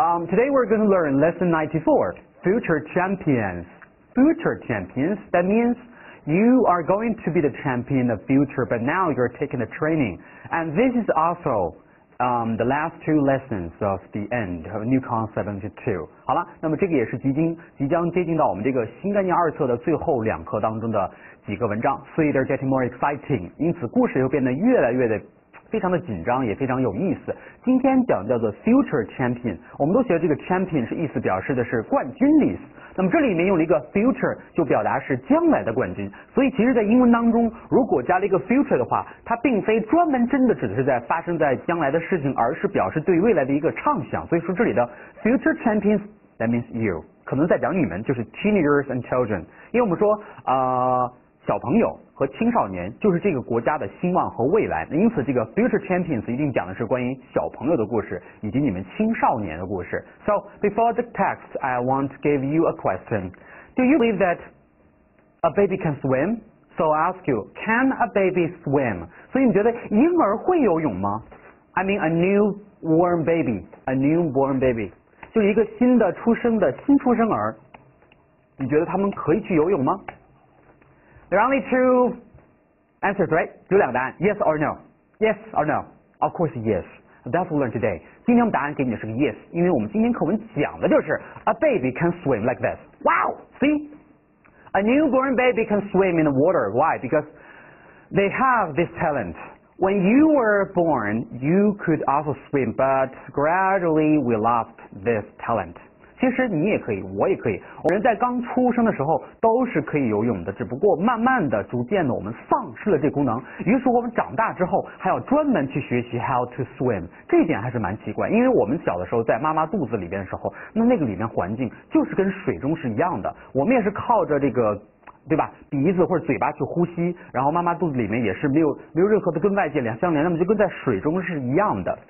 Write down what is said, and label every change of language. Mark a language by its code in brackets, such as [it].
[en] Today we're going to learn lesson 94, future champions. Future champions, that means you are going to be the champion of future, but now you're taking the training. And this is also the last two lessons of the end of new concept 72. [zh] 好了，那么这个也是即将接近到我们这个新概念二册的最后两课当中的几个文章。 [en] So they're getting more exciting. [zh] 因此故事又变得越来越的非常的紧张，也非常有意思。今天讲叫做 future champion， 我们都学这个 champion 是意思表示的是冠军的意思。那么这里面用了一个 future， 就表达是将来的冠军。所以其实在英文当中，如果加了一个 future 的话，它并非专门真的指的是在发生在将来的事情，而是表示对未来的一个畅想。所以说这里的 future champions， that means you，可能在讲你们，就是 teenagers and children。因为我们说小朋友和青少年就是这个国家的兴旺和未来，因此这个 future champions 一定讲的是关于小朋友的故事以及你们青少年的故事。 [en] So before the text I want to give you a question. Do you believe that a baby can swim? So I ask you, can a baby swim? [zh] 所以你觉得婴儿会游泳吗？ I mean a newborn baby 就是一个新的出生的新出生儿，你觉得他们可以去游泳吗？ [en] There are only two answers, right? 有两个答案， yes or no. Yes or no. Of course, yes. That's what we learn today. [zh] 今天我们答案给你的是个 yes， 因为我们今天课文讲的就是 a baby can swim like this. Wow, see? [en] A newborn baby can swim in the water. Why? Because they have this talent. When you were born, you could also swim, but gradually we lost this talent. [zh] 其实你也可以，我也可以，我们在刚出生的时候都是可以游泳的，只不过慢慢的逐渐的我们丧失了这功能，于是我们长大之后还要专门去学习 how to swim，这一点还是蛮奇怪。因为我们小的时候在妈妈肚子里边的时候，那个里面环境就是跟水中是一样的，我们也是靠着这个对吧，鼻子或者嘴巴去呼吸，然后妈妈肚子里面也是没有任何的跟外界相连，那么就跟在水中是一样的。